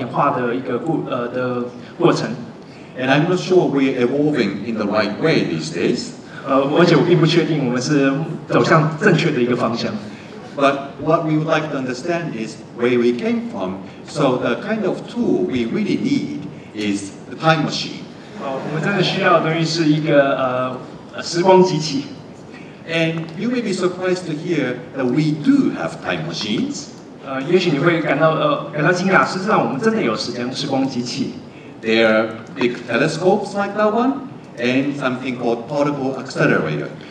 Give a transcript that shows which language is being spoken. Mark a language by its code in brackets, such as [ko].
[zh] 甚至包括这个演化的一个过程。 [en] And I'm not sure we're evolving in the right way these days. [zh] 而且我并不确定我们是走向正确的一个方向。 [en] But what we would like to understand is where we came from. So the kind of tool we really need is the time machine. [zh] 我们真的需要的东西是一个时光机器。 [en] And you may be surprised to hear that we do have time machines. [zh] 也许你会感到惊讶，事实上我们真的有时光机器。 [en] There are big telescopes like that one, and something called particle accelerator.